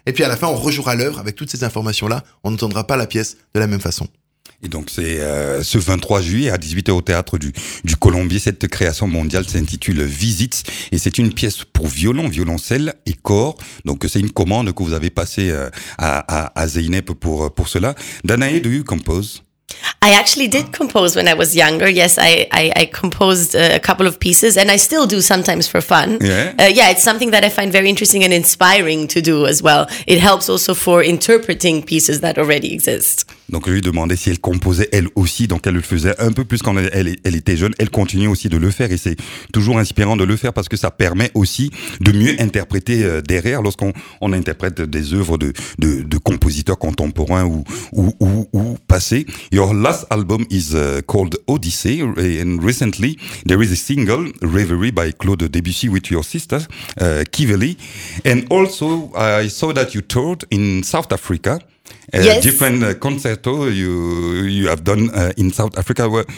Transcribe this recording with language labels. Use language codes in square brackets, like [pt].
[fr] Et puis à la fin, on rejouera l'œuvre avec toutes ces informations-là. On n'entendra pas la pièce de la même façon. Et donc c'est ce 23 juillet à 18h au Théâtre du Colombier. Cette création mondiale s'intitule Visites. Et c'est une pièce pour violon, violoncelle et cor. Donc c'est une commande que vous avez passée à Zeynep pour cela. [en] Danae, do you compose? I actually did compose when I was younger. Yes, I composed a couple of pieces, and I still do sometimes for fun. Yeah. It's something that I find very interesting and inspiring to do as well. It helps also for interpreting pieces that already exist. [fr] Donc je lui demandais si elle composait elle aussi, donc elle le faisait un peu plus quand elle était jeune. Elle continue aussi de le faire, et c'est toujours inspirant de le faire parce que ça permet aussi de mieux interpréter derrière lorsqu'on interprète des œuvres de compositeurs contemporains ou passé. [en] Your last album is called Odyssey, and recently there is a single, Reverie, by Claude Debussy with your sister, Kiveli. And also, I saw that you toured in South Africa. Yes. Different concerto you have done in South Africa.